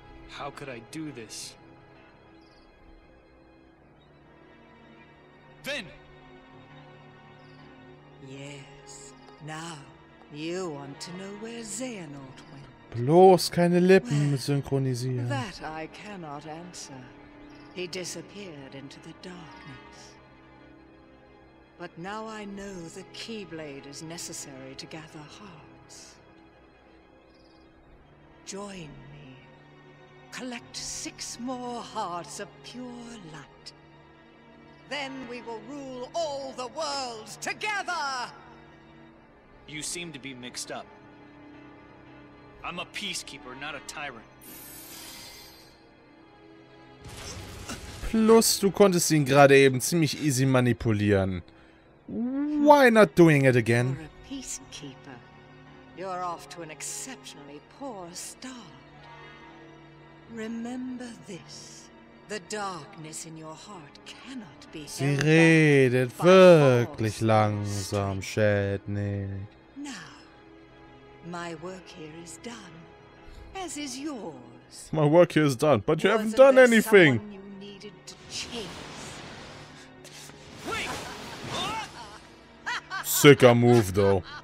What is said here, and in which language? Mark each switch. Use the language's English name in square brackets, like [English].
[English] How could I do this? Then! Yes, now. You want to know where Xehanort went. [German] Bloß keine Lippen synchronisieren. [English] Well, that I cannot answer. He disappeared into the darkness. But now I know the Keyblade is necessary to gather hearts. Join me. Collect 6 more hearts of pure light. Then we will rule all the worlds together! You seem to be mixed up. I'm a peacekeeper, not a tyrant. [German] Plus, du konntest ihn gerade eben ziemlich easy manipulieren. [English] Why not doing it again? You're a peacekeeper. You're off to an exceptionally poor start. Remember this. The darkness in your heart cannot be held. [German] Sie redet wirklich langsam, Shadney. [English] My work here is done, as is yours. My work here is done, but you haven't done anything. You needed to chase. Wait. Sicker move, though.